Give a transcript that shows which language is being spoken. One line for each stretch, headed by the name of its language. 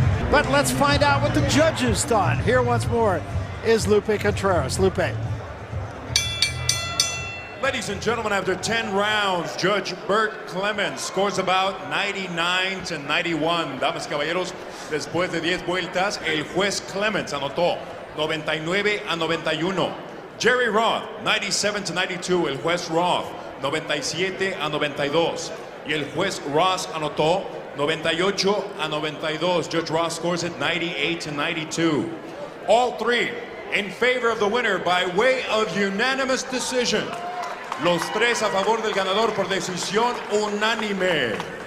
English: But let's find out what the judges thought. Here once more is Lupe Contreras. Lupe. Ladies and gentlemen, after 10 rounds, Judge Bert Clemens scores about 99 to 91.
Spanish: Damas y caballeros, después de 10 vueltas, el juez Clemens anotó 99 a 91.
English: Jerry Roth, 97 to 92.
Spanish: El juez Roth, 97 a 92. Y el juez Ross anotó 98 a 92.
English: Judge Ross scores at 98 to 92. All three in favor of the winner by way of unanimous decision.
Spanish: Los tres a favor del ganador por decisión unánime.